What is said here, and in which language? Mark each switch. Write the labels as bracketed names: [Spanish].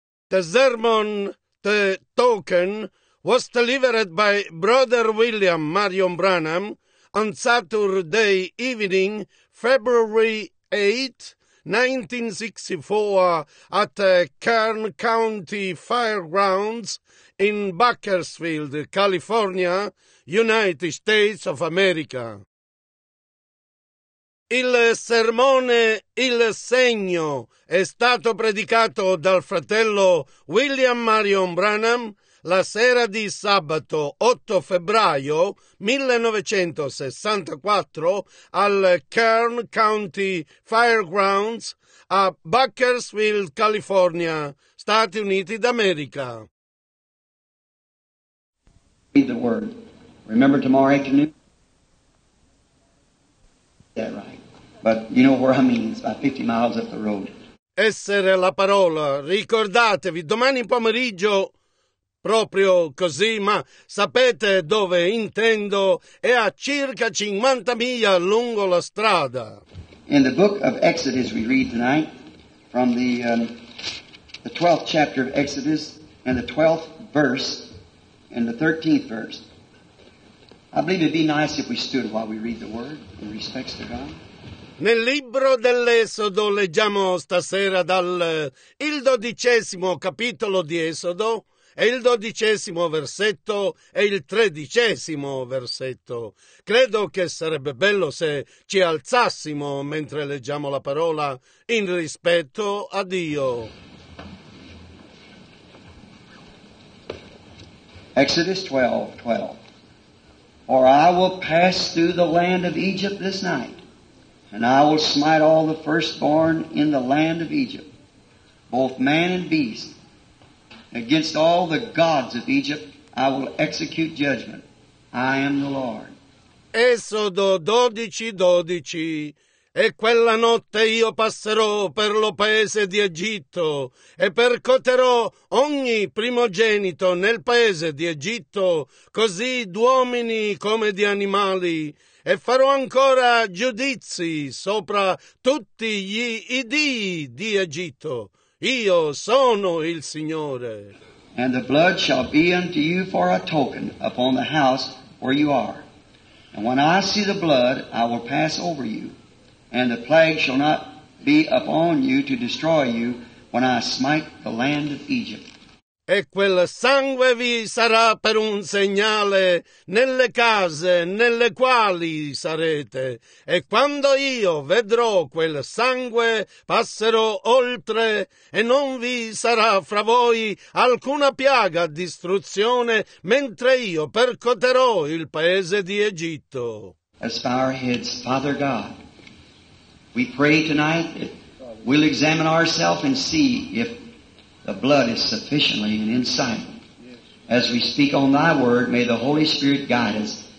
[English] The sermon, the token, was delivered by Brother William Marion Branham on Saturday evening, February 8, 1964, at Kern County Fairgrounds in Bakersfield, California, United States of America. [Italian] Il sermone Il Segno è stato predicato dal fratello William Marion Branham la sera di sabato 8 febbraio 1964 al Kern County Fairgrounds a Bakersfield, California, Stati Uniti d'America. [English] Read the word. Remember tomorrow afternoon? That right. But you know where I mean, it's about 50 miles up the road. [Italian] Essere la parola. Ricordatevi, domani pomeriggio, proprio così, ma sapete dove intendo, è a circa 50 miglia lungo la strada. [English] In the book of Exodus we read tonight, from the 12th chapter of Exodus, and the 12th verse, and the 13th verse. I believe it'd be nice if we stood while we read the word, in respects to God. [Italian] Nel libro dell'Esodo leggiamo stasera dal il dodicesimo capitolo di Esodo e il dodicesimo versetto e il tredicesimo versetto. Credo che sarebbe bello se ci alzassimo mentre leggiamo la parola in rispetto a Dio. [English] Exodus 12:12. Or I will pass through the land of Egypt this night. And I will smite all the firstborn in the land of Egypt, both man and beast. Against all the gods of Egypt, I will execute judgment. I am the Lord. [Italian] Esodo 12:12. E quella notte io passerò per lo paese di Egitto e percoterò ogni primogenito nel paese di Egitto, così d'uomini come di animali, e farò ancora giudizi sopra tutti gli dii di Egitto. Io sono il Signore. [English] And the blood shall be unto you for a token upon the house where you are. And when I see the blood, I will pass over you. And the plague shall not be upon you to destroy you when I smite the land of Egypt. [Italian] E quel sangue vi sarà per un segnale nelle case nelle quali sarete. E quando io vedrò quel sangue, passerò oltre e non vi sarà fra voi alcuna piaga a distruzione mentre io percoterò il paese di Egitto. [English] As our heads, Father God, we pray tonight that we'll examine ourselves and see if the blood is sufficiently and in sight. As we speak on thy word, may the Holy Spirit guide us.